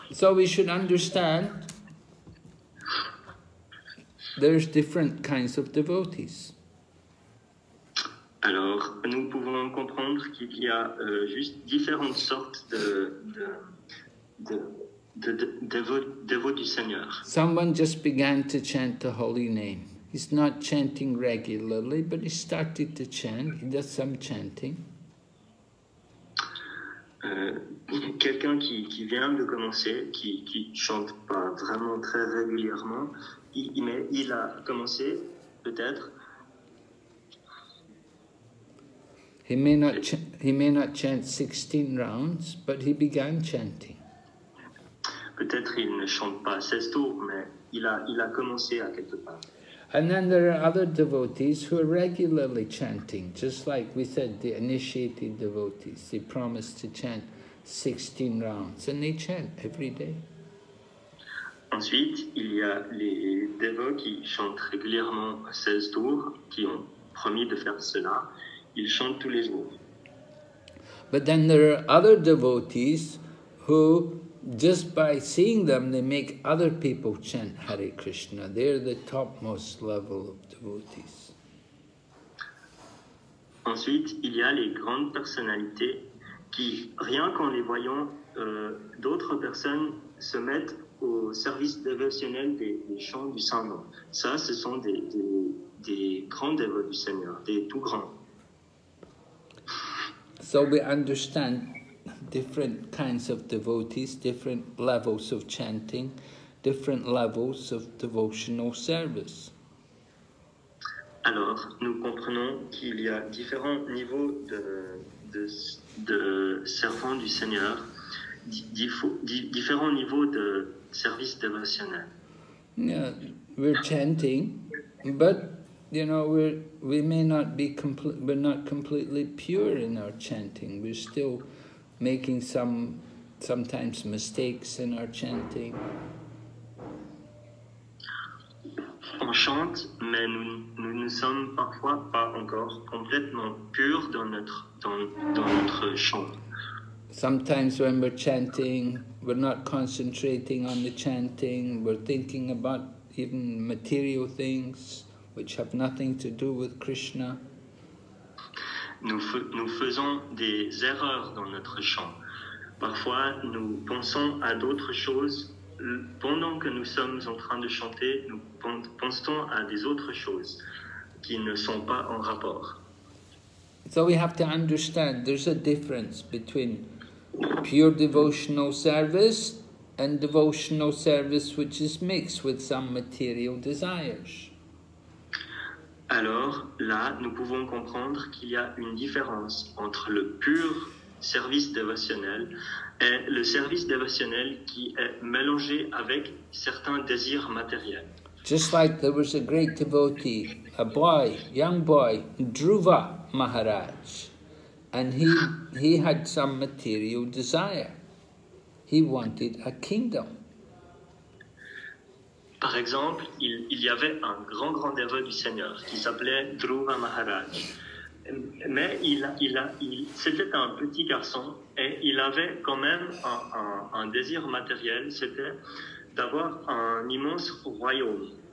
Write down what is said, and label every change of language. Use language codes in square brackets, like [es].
[en] So we should understand there's different kinds of devotees. [fr] Alors, nous pouvons comprendre qu'il y a juste différentes sortes de dévots du Seigneur. [en] Someone just began to chant the holy name. He's not chanting regularly, but he started to chant. He does some chanting. [fr] Quelqu'un qui vient de commencer, qui chante pas vraiment très régulièrement, il a commencé, peut-être. [en] He may not chant 16 rounds, but he began chanting. [fr] Peut-être il ne chante pas 16 tours, mais il a commencé à quelque part. [en] And then there are other devotees who are regularly chanting, just like we said, the initiated devotees. They promise to chant 16 rounds, and they chant every day. [fr] Ensuite, il y a les dévots qui chantent régulièrement 16 tours, qui ont promis de faire cela. Ils chantent tous les jours. [en] But then there are other devotees who, just by seeing them, they make other people chant Hare Krishna. They're the topmost level of devotees. [fr] Ensuite, il y a les grandes personnalités qui, rien qu'en les voyant, d'autres personnes se mettent au service dévotionnel des chants du Saint-Nom. Ça, ce sont des grands dévots du Seigneur, des tout grands. [en] So we understand different kinds of devotees, different levels of chanting, different levels of devotional service. [fr] Alors, nous comprenons qu'il y a différents niveaux de servants du Seigneur, différents niveaux de service dévotionnel. [en] Yeah, we're chanting, but you know, we're not completely pure in our chanting. We're still making sometimes mistakes in our chanting. [fr] On chante, mais nous ne sommes parfois pas encore complètement purs dans notre chant. [en] Sometimes when we're chanting, we're not concentrating on the chanting, we're thinking about even material things which have nothing to do with Krishna. [fr] Nous faisons des erreurs dans notre chant. Parfois, nous pensons à d'autres choses. Pendant que nous sommes en train de chanter, nous pensons à des autres choses qui ne sont pas en rapport. [en] So we have to understand there's a difference between pure devotional service and devotional service which is mixed with some material desires. [fr] Alors, là, nous pouvons comprendre qu'il y a une différence entre le pur service dévotionnel et le service dévotionnel qui est mélangé avec certains désirs matériels. [en] Just like there was a great devotee, a boy, young boy, Dhruva Maharaj, and he had some material desire. He wanted a kingdom. [fr] Par exemple, il y avait un grand dévot du Seigneur qui s'appelait Dhruva Maharaj. Mais il c'était un petit garçon et il avait quand même un désir matériel, c'était d'avoir un immense royaume.